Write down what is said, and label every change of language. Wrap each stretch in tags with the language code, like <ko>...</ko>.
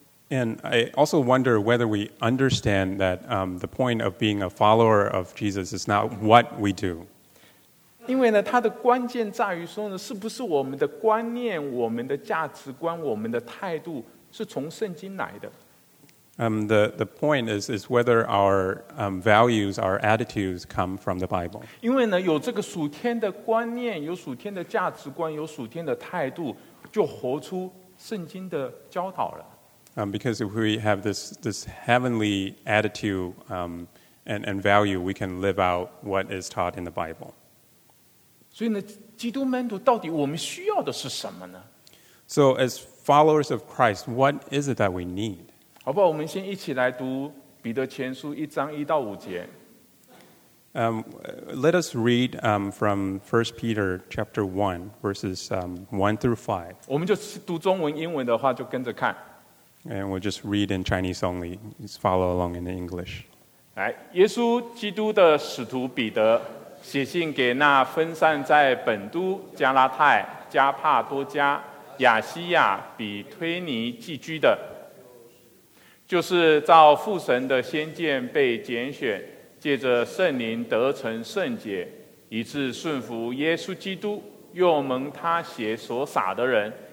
<en>And I also wonder whether we understand that the point of being a follower of Jesus is not what we do.</en> <zh>因为呢，它的关键在于说呢，是不是我们的观念、我们的价值观、我们的态度是从圣经来的。</zh> <en>The point is whether our values, our attitudes come from the Bible.</en> <zh>因为呢，有这个属天的观念、有属天的价值观、有属天的态度，就活出圣经的教导了。</zh> <en>Because if we have this heavenly attitude and value, we can live out what is taught in the Bible.</en> <zh>所以呢，基督门徒到底我们需要的是什么呢？</zh> <en>So as followers of Christ, what is it that we need?</en> <zh>好不好，我们先一起来读彼得前书一章一到五节。</zh> <en>Let us read from 1 Peter chapter 1, verses 1 through 5.</en> <zh>我们就读中文、英文的话就跟着看。</zh> <en>And we'll just read in Chinese only. Just follow along in the English.</en> <zh>来，耶稣基督的使徒彼得写信给那分散在本都、加拉太、加帕多加、亚西亚、比推尼寄居的，就是照父神的先见被拣选，借着圣灵得成圣洁，以致顺服耶稣基督，又蒙他血所洒的人。</zh>